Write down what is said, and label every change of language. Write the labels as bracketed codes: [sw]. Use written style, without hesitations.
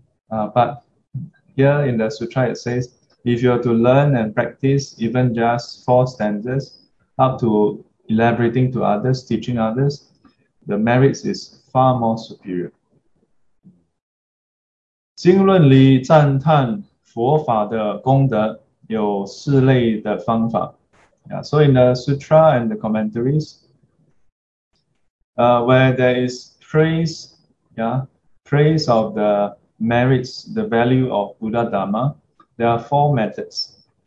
[en] But here in the sutra, it says, if you are to learn and practice even just four stanzas, up to elaborating to others, teaching others, the merits is far more superior. [zh] 经论里赞叹佛法的功德有四类的方法. [en] So in the sutra and the commentaries, where there is praise, praise of the merits, the value of Buddha Dharma, there are four methods.